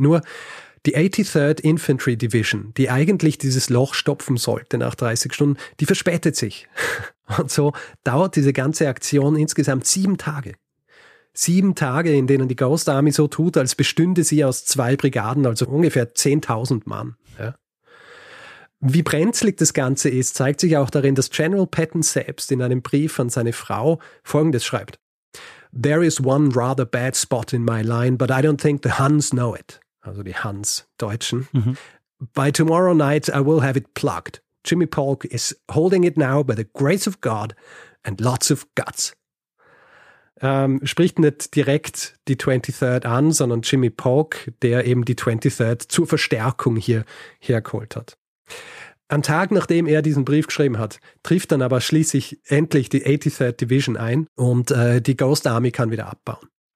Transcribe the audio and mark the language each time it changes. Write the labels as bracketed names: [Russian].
[German] Nur die 83rd Infantry Division, die eigentlich dieses Loch stopfen sollte nach 30 Stunden, die verspätet sich. Und so dauert diese ganze Aktion insgesamt 7 Tage. 7 Tage, in denen die Ghost Army so tut, als bestünde sie aus 2 Brigaden, also ungefähr 10.000 Mann. Ja. Wie brenzlig das Ganze ist, zeigt sich auch darin, dass General Patton selbst in einem Brief an seine Frau Folgendes schreibt. [English] There is one rather bad spot in my line, but I don't think the Huns know it. [German] Also die Huns, Deutschen. Mhm. [English] By tomorrow night I will have it plugged. Jimmy Polk is holding it now by the grace of God and lots of guts. [German] Spricht nicht direkt die 23rd an, sondern Jimmy Polk, der eben die 23rd zur Verstärkung hier hergeholt hat. Am Tag, nachdem er diesen Brief geschrieben hat, trifft dann aber schließlich endlich die 83rd Division ein und die Ghost Army kann wieder abbauen.